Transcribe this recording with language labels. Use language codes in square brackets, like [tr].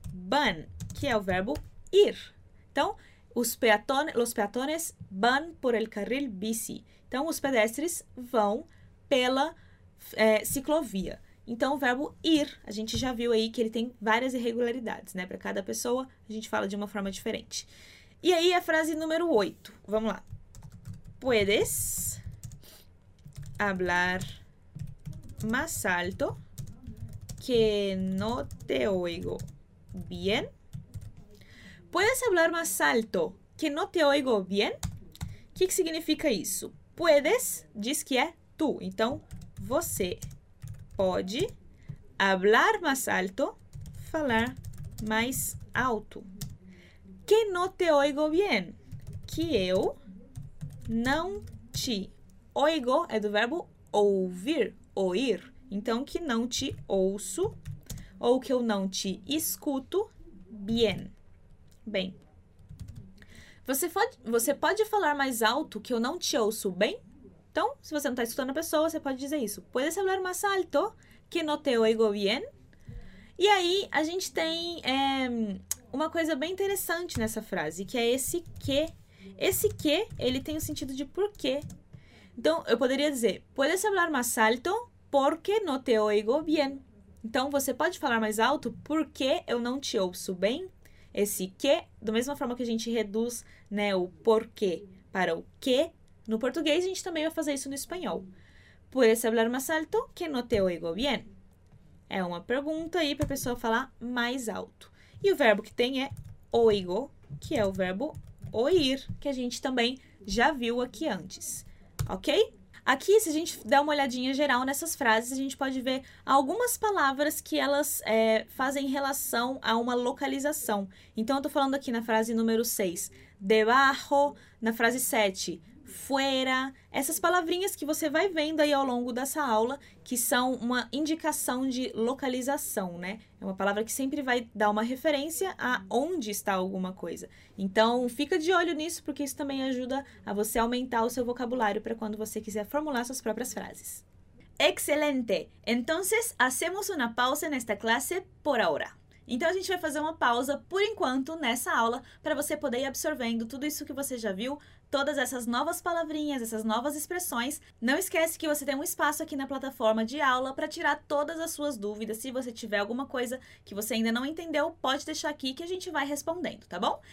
[pt] Van, que é o verbo ir. Então, [es] los peatones van por el carril bici. [pt] Então, os pedestres vão pela ciclovia. Então, o verbo ir, a gente já viu aí que ele tem várias irregularidades, né? Para cada pessoa, a gente fala de uma forma diferente. E aí, a frase número 8. Vamos lá. [es] Puedes hablar más alto que no te oigo bien. Puedes hablar más alto que no te oigo bien. [pt] O que significa isso? Puedes diz que é tu. Então, você pode [es] hablar más alto, [pt] falar mais alto. [es] Que no te oigo bien. [pt] Que eu não te oigo é do verbo ouvir, oír. Então, que não te ouço ou que eu não te escuto bien. Bem, você pode falar mais alto que eu não te ouço bem? Então, se você não está escutando a pessoa, você pode dizer isso. [es] Puedes hablar más alto que no te oigo bien? [pt] E aí, a gente tem uma coisa bem interessante nessa frase, que é esse que. Esse que, ele tem o sentido de porquê. Então, eu poderia dizer, [es] puedes hablar más alto porque no te oigo bien. [pt] Então, você pode falar mais alto porque eu não te ouço bem? Esse que, da mesma forma que a gente reduz, né, o porquê para o que, no português, a gente também vai fazer isso no espanhol. [es] Puedes hablar más alto que no te oigo bien. [pt] É uma pergunta aí para a pessoa falar mais alto. E o verbo que tem é oigo, que é o verbo oir, que a gente também já viu aqui antes. Ok? Aqui, se a gente der uma olhadinha geral nessas frases, a gente pode ver algumas palavras que elas fazem relação a uma localização. Então, eu estou falando aqui na frase número 6, debajo, na frase 7, fuera. Essas palavrinhas que você vai vendo aí ao longo dessa aula, que são uma indicação de localização, né? É uma palavra que sempre vai dar uma referência a onde está alguma coisa. Então, fica de olho nisso, porque isso também ajuda a você aumentar o seu vocabulário para quando você quiser formular suas próprias frases. Excelente! [es] Entonces, hacemos una pausa en esta clase por ahora. [pt] Então, a gente vai fazer uma pausa por enquanto nessa aula para você poder ir absorvendo tudo isso que você já viu, todas essas novas palavrinhas, essas novas expressões. Não esquece que você tem um espaço aqui na plataforma de aula para tirar todas as suas dúvidas. Se você tiver alguma coisa que você ainda não entendeu, pode deixar aqui que a gente vai respondendo, tá bom?